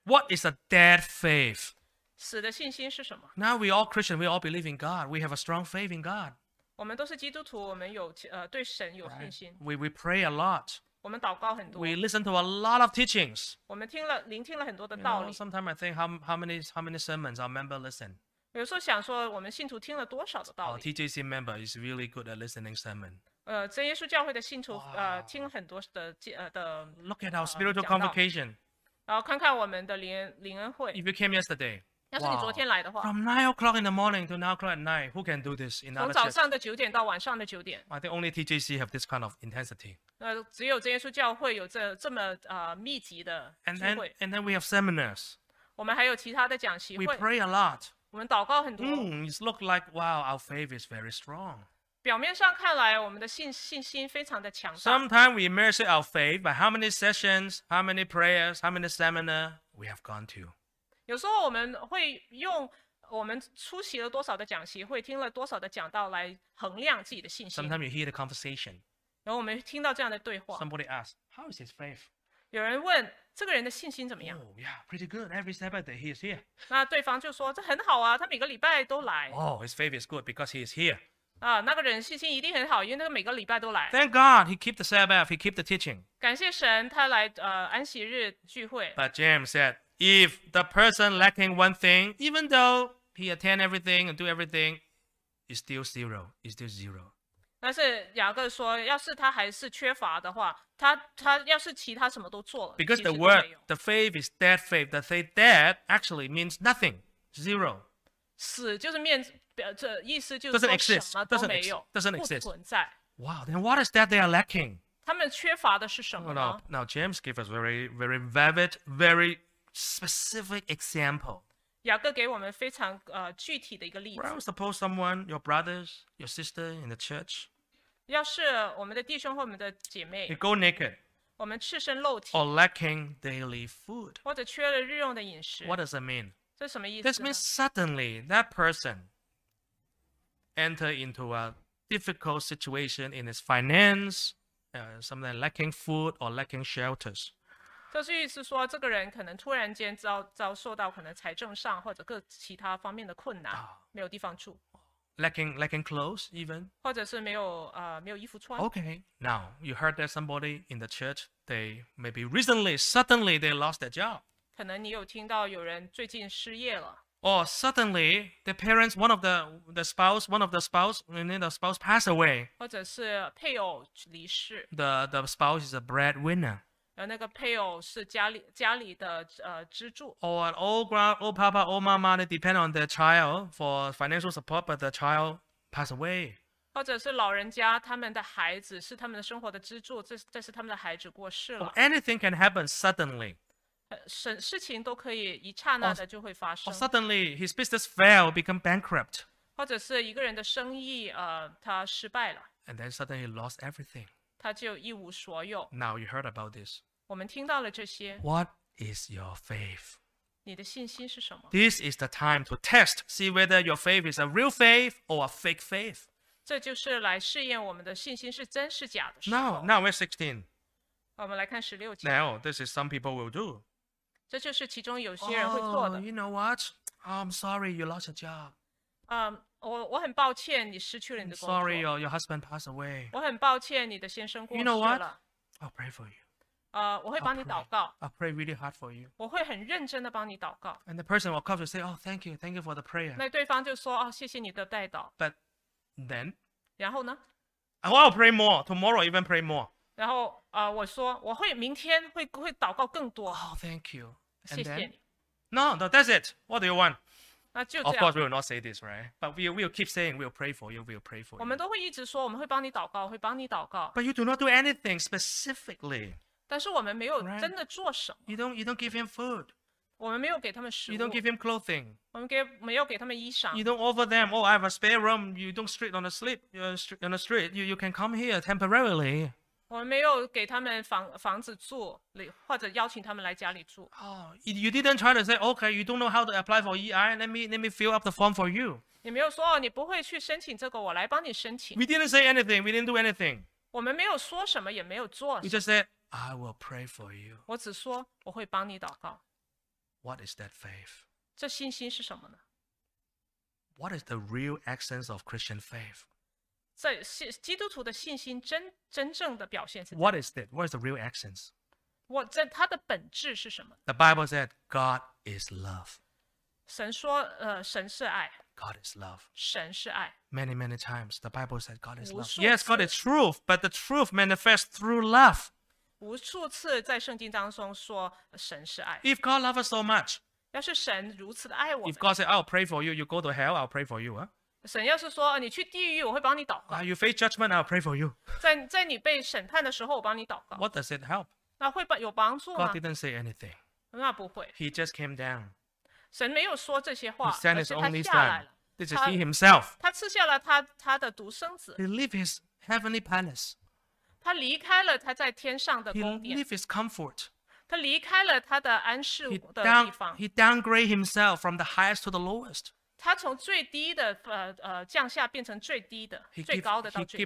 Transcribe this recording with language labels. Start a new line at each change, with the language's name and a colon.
English: What is a dead faith?
Chinese: 死的信心是什么？
English: Now we all Christians, we all believe in God. We have a strong faith in God.
Chinese: 我们都是基督徒，我们有对神有信心。
English: Right. We pray a lot.
Chinese: 我们祷告很多。
English: We listen to a lot of teachings.
Chinese: 我们听了聆听了很多的道理。
English: You know, sometimes I think how many sermons our member listen.
Chinese: 有时候想说我们信徒听了多少的道理。
English: Our TJC member is really good at listening sermon.
Chinese: 真耶稣教会的信徒听很多的
English: Look at our spiritual convocation.
Chinese: 然后看看我们的灵恩会。
English: If you came yesterday.
Chinese: 要是你昨天来的话
English: wow, from 9 o'clock in the morning to 9 o'clock at night, who can do this in our church?
Chinese: 从早上的9点到晚上的9点。
English: I think only TJC have this kind of intensity.
Chinese: 只有真耶稣教会有这么密集的聚会。
English: And then we have seminars.
Chinese: 我们还有其他的讲习会。
English: We pray a lot.
Chinese: 我们祷告很多。
English: It looks like, wow, our faith is very strong.
Chinese: 表面上看来我们的信心非常的强大。
English: Sometimes we measure our faith by how many sessions, how many prayers, how many seminars we have gone to.
Chinese: 有时候我们会用我们出席了多少的讲习会，听了多少的讲道来衡量自己的信心。
English: Sometimes you hear the conversation.
Chinese: 然后我们听到这样的对话。
English: Somebody asks, "How is his faith?"
Chinese: 有人问这个人的信心怎么样
English: ？Oh, yeah, pretty good. Every Sabbath day he is here.
Chinese: 那对方就说这很好啊，他每个礼拜都来。
English: Oh, his faith is good because he is here.
Chinese: 那个人信心一定很好，因为他每个礼拜都来。
English: Thank God he keep the Sabbath, he keep the teaching.
Chinese: 感谢神，他来安息日聚会。
English: But James said. If the person lacking one thing, even though he attend everything and do everything, it's still zero. It's still zero.
Chinese: 但是雅各说，要是他还是缺乏的话，他要是其他什么都做了，
English: because the word the faith is dead faith. The faith dead actually means nothing, zero.
Chinese: 死就是面这意思就是说什么都没有
English: doesn't exist.
Chinese: 不存在
English: Wow. Then what is that they are lacking?
Chinese: 他们缺乏的是什么呢？
English: Now James gave us very, very vivid, very specific example.
Chinese: 雅各给我们非常具体的一个例子。
English: Well, suppose someone, your brothers, your sister in the church.
Chinese: 要是我们的弟兄或我们的姐妹。
English: They go naked.
Chinese: 我们赤身露体。
English: Or lacking daily food.
Chinese: 或者缺了日用的饮食。
English: What does it mean?
Chinese: 这什么意思呢?
English: This means suddenly that person enter into a difficult situation in his finance, something lacking food or lacking shelters.
Chinese: 就是意思说这个人可能突然间 遭受到可能财政上或者各其他方面的困难、没有地方住
English: lacking clothes even
Chinese: 或者是没有衣服穿
English: Okay, now you heard that somebody in the church they maybe recently suddenly they lost their job
Chinese: 可能你有听到有人最近失业了
English: or suddenly their parents one of the spouse passed away
Chinese: 或者是配偶离世
English: the spouse is a breadwinner
Chinese: 而那个配偶是家里的支柱。
English: Or an old grand, old papa, old mama, they depend on their child for financial support, but the child passed away.
Chinese: 或者是老人家，他们的孩子是他们的生活的支柱，这是他们的孩子过世了。
English: Or anything can happen suddenly.
Chinese: 事情都可以一刹那的就会发生。
English: Or suddenly his business failed, become bankrupt.
Chinese: 或者是一个人的生意他失败了。
English: And then suddenly he lost everything.
Chinese: 他就一无所有。
English: Now you heard about this.
Chinese: 我们听到了这些。
English: What is your faith?
Chinese: 你的信心是什么？
English: This is the time to test, see whether your faith is a real faith or a fake faith.
Chinese: 这就是来试验我们的信心是真是假的时
English: 候。Now we're 16.
Chinese: 我们来看十六节。
English: Now this is some people will do.
Chinese: 这就是其中有些人会做的。
English: Oh, you know what? I'm sorry, you lost your job.
Chinese: 我很抱歉，你失去了你的工作。
English: Sorry, your husband passed away.
Chinese: 我很抱歉，你的先生过世了。
English: You know what? I'll pray for you.
Chinese: 我会帮你祷告。
English: I'll pray really hard for you.
Chinese: 我会很认真的帮你祷告。
English: And the person will come to say, "Oh, thank you for the prayer."
Chinese: 那对方就说，哦，谢谢你的代祷。
English: But then,
Chinese: 然后呢
English: I will pray more tomorrow, even pray more.
Chinese: 然后我说我会明天会祷告更多。
English: Oh, thank you.
Chinese: 谢谢你。
English: No, no, that's it. What do you want?
Chinese: 那就这样。
English: Of course, we will not say this, right? But we will keep saying, we'll pray for you, we'll pray for you.
Chinese: 我们都会一直说，我们会帮你祷告，会帮你祷告。
English: But you do not do anything specifically.
Chinese: 但是我们没有真的做什么。
English: Right? You don't give him food.
Chinese: 我们没有给他们食物。
English: You don't give him clothing.
Chinese: 我们没有给他们衣裳。
English: You don't offer them, oh, I have a spare room. You don't sleep on the street. You're on the street. You can come here temporarily.
Chinese: 我们没有给他们 房子住，或者邀请他们来家里住。
English: Oh, you didn't try to say, okay, you don't know how to apply for EI, let me fill up the form for you.
Chinese: 你没有说你不会去申请这个，我来帮你申请。
English: We didn't say anything, we didn't do anything.
Chinese: 我们没有说什么，也没有做什么。
English: We just said, I will pray for you.
Chinese: 我只说我会帮你祷告。
English: What is that faith?
Chinese: 这信心是什么呢？
English: What is the real essence of Christian faith?
Chinese: 基督徒的信心 真正的表现是
English: What is it? What is the real essence?
Chinese: 它的本质是什么？
English: The Bible said God is love.
Chinese: 神说神是爱。
English: God is love.
Chinese: 神是爱。
English: Many, many times the Bible said God is love. Yes, God is truth, but the truth manifests through love.
Chinese: 无数次在圣经当中说神是爱。
English: If God loves us so much,
Chinese: 要是神如此的爱我们，
English: If God said I'll pray for you, you go to hell, I'll pray for you, huh?
Chinese: 神要是说你去地狱，我会帮你祷告。
English: You face judgment, I'll pray for you.
Chinese: 在你被审判的时候，我帮你祷告。
English: What does it help?
Chinese: 那会有帮助吗？
English: God didn't say anything.
Chinese: 那不会。
English: He just came down.
Chinese: 神没有说这些话。
English: He sent his only son. This is he himself.
Chinese: 他赐下了他的独生子。
English: He left his heavenly palace.
Chinese: 他离开了他在天上的宫殿。
English: He left his comfort.
Chinese: 他离开了他的安适的地方。
English: He downgraded himself from the highest to the lowest.
Chinese: 他从最低的降下变成最低的 最高的到最低。